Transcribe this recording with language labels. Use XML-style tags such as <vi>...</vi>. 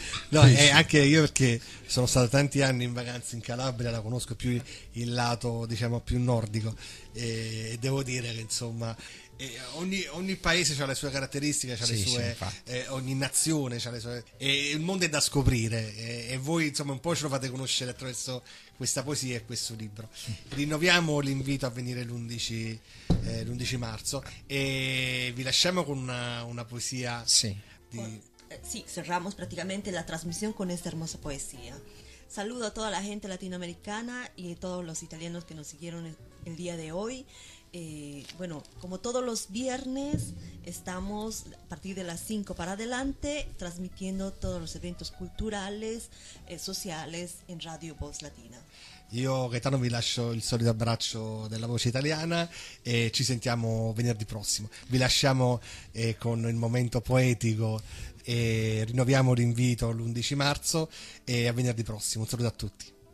<it>No, e anche io, perché sono stato tanti anni in vacanza in Calabria, la conosco più il lato, diciamo, più nordico, e devo dire che insomma ogni paese ha le sue caratteristiche, ha le sue, ogni nazione ha le sue, e il mondo è da scoprire, e voi insomma un po' ce lo fate conoscere attraverso questa poesia e questo libro. Rinnoviamo l'invito a venire l'11 marzo, e vi lasciamo con una poesia. Sì.</it> <es>Sì, cerramos praticamente la transmisión con esta hermosa poesía. Saludo a toda la gente latinoamericana y a todos los italianos que nos siguieron el día de hoy. Bueno, como todos los viernes, estamos a partir de las 5 para adelante transmitiendo todos los eventos culturales, sociales en Radio Voz Latina.</es> <it>Io, Gaetano, vi lascio il solito abbraccio della voce italiana e ci sentiamo venerdì prossimo. Vi lasciamo con il momento poetico e rinnoviamo l'invito l'11 marzo e a venerdì prossimo. Un saluto a tutti.</it>